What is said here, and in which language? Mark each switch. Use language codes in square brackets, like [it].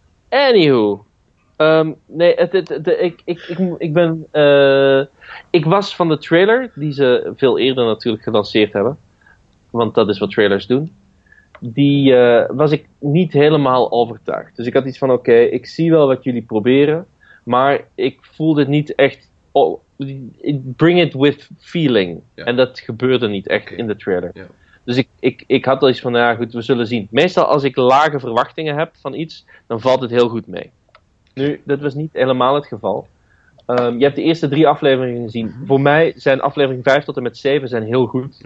[nl] Anywho. Nee, ik ben. Ik was van de trailer, die ze veel eerder natuurlijk gelanceerd hebben. Want dat is wat trailers doen. Was ik niet helemaal overtuigd. Dus ik had iets van: oké, ik zie wel wat jullie proberen. Maar ik voelde het niet echt. [en] Oh, bring it with feeling. [nl] Ja. En dat gebeurde niet echt in de trailer. Ja. Dus ik had al iets van: ja, goed, we zullen zien. Meestal als ik lage verwachtingen heb van iets, dan valt het heel goed mee. Nu, dat was niet helemaal het geval. Je hebt de eerste 3 afleveringen gezien. Mm-hmm. Voor mij zijn aflevering 5 tot en met 7 zijn heel goed.